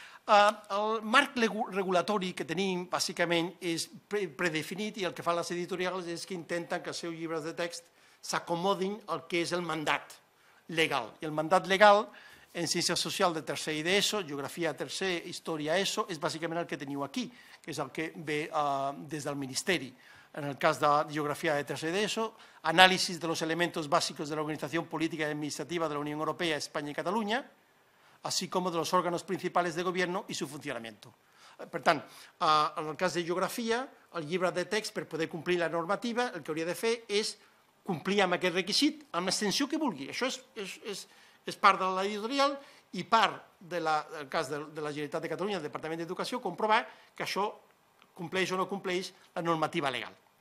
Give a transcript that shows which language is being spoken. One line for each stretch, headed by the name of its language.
Catalan: El marc regulatori que tenim bàsicament és predefinit i el que fan les editorials és que intenten que els seus llibres de text s'acomodin al que és el mandat legal. I el mandat legal en ciència social de tercer i d'ESO, geografia tercer, història ESO, és bàsicament el que teniu aquí, que és el que ve des del Ministeri. En el cas de geografia de tercer d'ESO, anàlisi
Spanish: de los elementos básicos de la organización política y administrativa de la Unión Europea, España y Cataluña, así como de los órganos principales de gobierno y su funcionamiento.
Catalan: Per tant, en el cas de geografia, el llibre de text, per poder complir la normativa, el que hauria de fer és complir amb aquest requisit, amb l'extensió que vulgui. Això és part de l'editorial i part del cas de la Generalitat de Catalunya, del Departament d'Educació, comprovar que això compleix o no compleix la normativa legal.